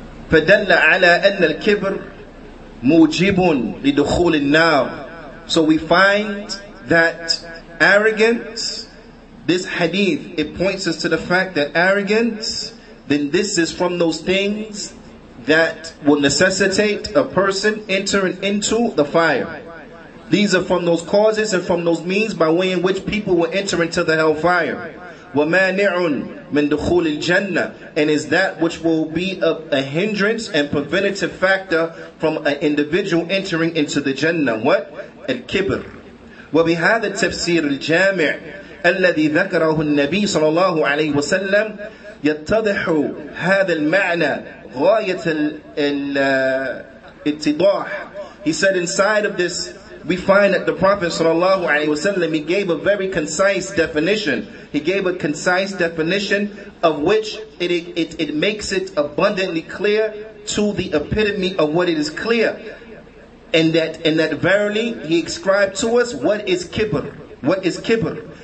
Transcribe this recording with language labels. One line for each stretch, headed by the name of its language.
Arabic: فدل على أن الكبر موجب لدخول النار.
English: So we find that arrogance, this hadith, it points us to the fact that arrogance, then this is from those things that will necessitate a person entering into the fire. These are from those causes and from those means by way in which people will enter into the hellfire.
Arabic: وَمَانِعٌ مِنْ دُخُولِ الْجَنَّةِ
English: And is that which will be a hindrance and preventative factor from an individual entering into the Jannah. What?
Arabic: الْكِبْرِ وَبِهَذَا التَّفْسِيرِ الْجَامِعِ الَّذِي ذَكَرَهُ النَّبِي صلى الله عليه وسلم يتضح هذا المعنى غاية الاتضاح.
English: He said, inside of this, we find that the Prophet sallallahu alaihi wasallam, he gave a very concise definition. He gave a concise definition of which it makes it abundantly clear to the epitome of what it is clear. And that verily he ascribed to us what is kibr. What is kibr?